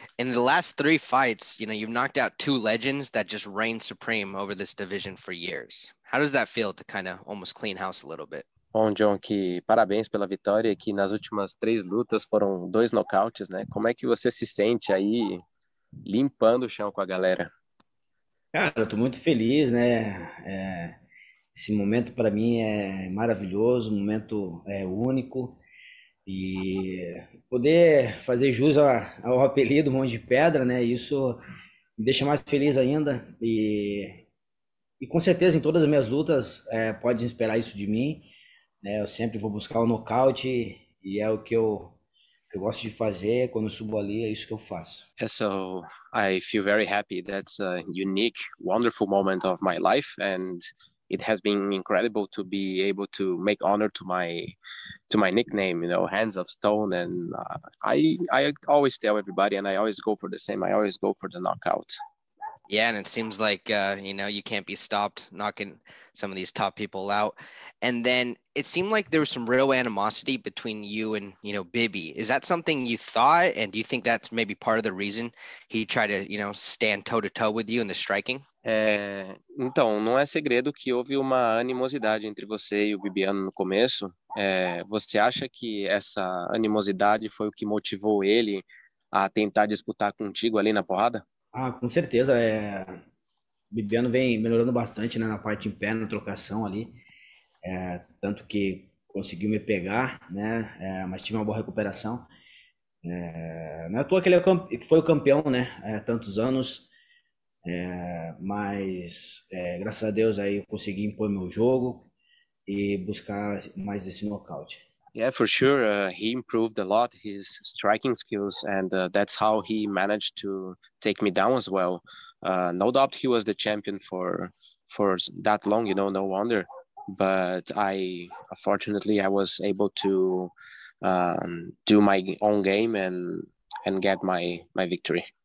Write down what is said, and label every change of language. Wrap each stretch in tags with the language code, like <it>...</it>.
<en>In the last three fights, you've knocked out two legends that just reign supreme over this division for years. How does that feel to kind of almost clean house a little bit?</en> <pt>Bom, John, que parabéns pela vitória, que nas últimas três lutas foram dois nocautes, né? Como é que você se sente aí limpando o chão com a galera? Cara, eu tô muito feliz, né? Esse momento para mim é maravilhoso, um momento único. E poder fazer jus ao apelido Mão de Pedra, né? Isso me deixa mais feliz ainda. E com certeza em todas as minhas lutas pode esperar isso de mim, né? Eu sempre vou buscar o nocaute e é o que eu gosto de fazer. Quando eu subo ali, é isso que eu faço.</pt> <en>So I feel very happy. That's a unique, wonderful moment of my life, and it has been incredible to be able to make honor to my nickname, Hands of Stone. And I always tell everybody, and I always go for the same. I always go for the knockout. Yeah, and it seems like you can't be stopped knocking some of these top people out. And then it seemed like there was some real animosity between you and Bibby. Is that something you thought? And do you think that's maybe part of the reason he tried to stand toe to toe with you in the striking?</en> <pt>Então, não é segredo que houve uma animosidade entre você e o Bibiano no começo. Você acha que essa animosidade foi o que motivou ele a tentar disputar contigo ali na porrada? Ah, com certeza. Bibiano vem melhorando bastante, né, na parte em pé, na trocação ali. Tanto que conseguiu me pegar, né? Mas tive uma boa recuperação. Não é à toa que ele foi o campeão, né? Tantos anos. Mas graças a Deus aí eu consegui impor meu jogo e buscar mais esse nocaute.</pt> <en>Yeah, for sure. He improved a lot his striking skills, and that's how he managed to take me down as well. No doubt he was the champion for that long, no wonder. But I was able to do my own game and get my victory.</en>